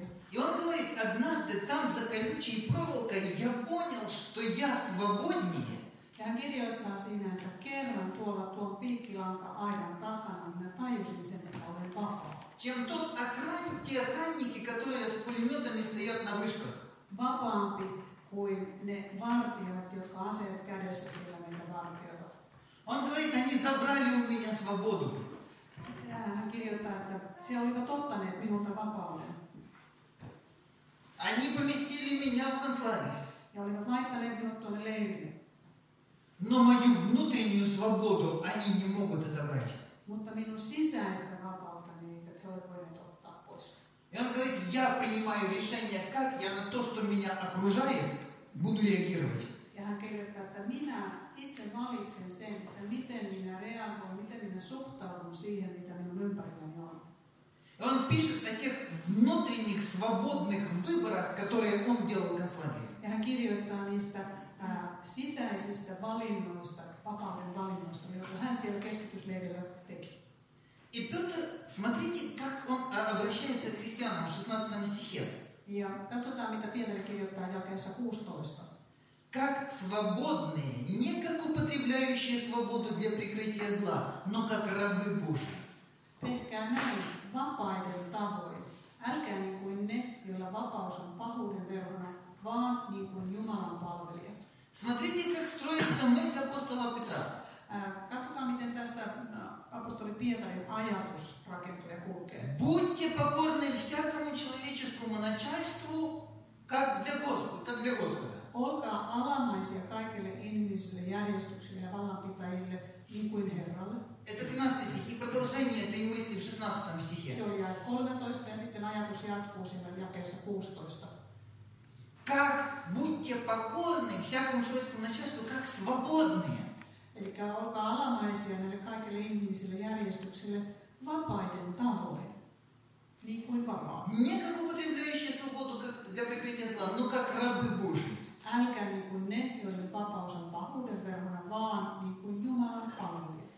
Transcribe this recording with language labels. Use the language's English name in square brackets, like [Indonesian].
[Russian] И он говорит, однажды там за колючей проволокой я понял, что я свободнее. [Finnish] Ja hän kirjoittaa siinä, että kerran tuolla tuon piikkilanka aidan takana minä tajusin sen, että olen vapaa. [Russian] Чем тот охранник, те охранники, которые с пулеметами стоят на вышках. [Finnish] Vapaampi kuin ne vartijat, jotka aseet kädessä siellä meitä vartijoita. [Russian] Он говорит, они забрали у меня свободу. [Finnish] Ja hän kirjoittaa, että he olivat ottaneet minulta vapauden. [Russian] Они поместили меня в концлагерь. [Finnish] Ja olivat laittaneet minut tuonne leirille. [Russian] Но мою внутреннюю свободу они не могут отобрать. [Finnish] Mutta minun sisäistä vapautta ne eivät ole voineet ottaa pois. [Russian] И он говорит, я принимаю решение, как я на то, что меня окружает, буду реагировать. [Finnish] Ja hän kirjoittaa, että minä itse valitsen sen, että miten minä reagoin, miten minä suhtaudun siihen, mitä minun ympärilläni on. [Russian] И он пишет о тех внутренних свободных выборах, которые он делал в концлагере. [Finnish] Ja hän kirjoittaa niistä sisäisistä valinnoista, vapauden valinnoista, joita hän siellä keskitysleirillä teki. [Russian] И Петр, смотрите, как он обращается к христианам в 16 стихе. [Finnish] Ja katsotaan, mitä Pietari kirjoittaa jakeessa 16. [Russian] Как свободные, не как употребляющие свободу для прикрытия зла, но как рабы Божьи. [Finnish] Tehkää näin vapaiden tavoin. Älkää niin kuin ne, joilla vapaus on pahuuden verona, vaan niin kuin Jumalan palvelijat. [Russian] Смотрите, как строится мысль апостола Петра. [Finnish] Katsokaa, miten tässä апостоли Pietarin ajatus rakentuu ja kulkee. [Russian] Будьте покорны всякому человеческому начальству, как для Господа, как для Господа. [Finnish] Olkaa alamaisia kaikille inhimillisille järjestyksille ja vallanpitäjille, niin kuin Herralle. [Russian] Это 13 стих и продолжение этой мысли в 16 стихе. [Finnish] Se oli jae 13 ja sitten ajatus jatkuu siinä jakeessa 16. [Russian] Как будьте покорны всякому человеческому начальству, как свободные. [Finnish] Eli olkaa alamaisia näille kaikille ihmisille järjestyksille vapaiden tavoin. Niin kuin vapaa. [Russian] Не как употребляющие свободу для прикрытия зла, но как рабы Божьи. [Finnish] Älkää niin kuin ne, joille vapaus on pahuuden verona, vaan niin kuin Jumalan palvelijat.